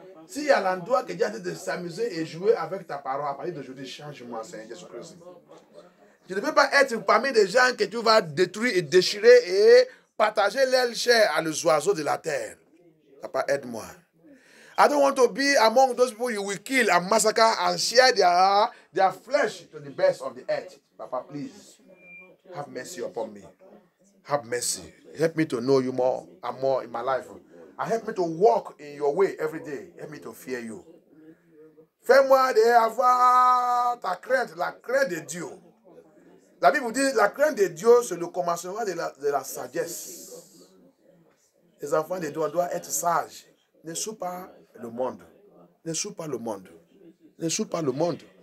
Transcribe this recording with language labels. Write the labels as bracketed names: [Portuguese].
[French] Si il y a l'endroit que Dieu a dit de s'amuser et jouer avec ta parole, à partir d'aujourd'hui, change-moi, Seigneur Jésus-Christ. Je ne veux pas être parmi des gens que tu vas détruire et déchirer et partager l'aile chair à les oiseaux de la terre. Papa, aide-moi. [English] I don't want to be among those people you will kill and massacre and share their flesh to the best of the earth. Papa, please, have mercy upon me. Have mercy. Help me to know you more and more in my life. And help me to walk in your way every day. Help me to fear you. [French] Fais-moi d'avoir ta crainte, la crainte de Dieu. La Bible dit, la crainte de Dieu, c'est le commencement de la sagesse. Les enfants de Dieu doivent être sages. Ne sois pas le monde. Ne sois pas le monde. Ne sois pas le monde.